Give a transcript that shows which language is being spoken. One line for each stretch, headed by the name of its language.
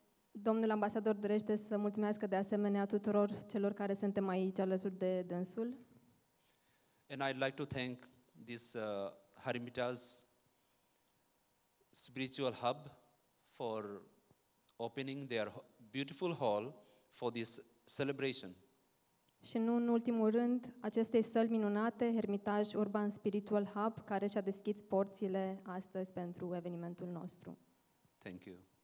Romanian: Domnul ambasador dorește să mulțumească de asemenea tuturor celor care suntem aici alături de dânsul.
English: And I'd like to thank this Harimita's spiritual hub for opening their beautiful hall for this celebration.
Romanian: Și nu în ultimul rând, acestei săli minunate, Hermitage Urban Spiritual Hub, care și-a deschis porțile astăzi pentru evenimentul nostru.
English: Thank you.